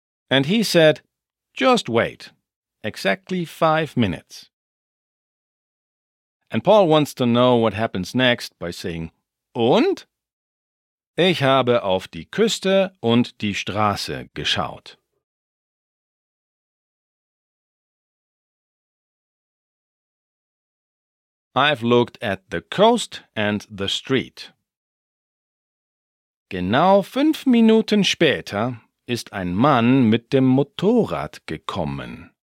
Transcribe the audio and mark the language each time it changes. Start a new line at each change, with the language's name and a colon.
English: And he said, just wait. Exactly 5 minutes. And Paul wants to know what happens next by saying, und?
German: Ich habe auf die Küste und die Straße geschaut.
English: I've looked at the coast and the street.
German: Genau 5 Minuten später ist ein Mann mit dem Motorrad gekommen.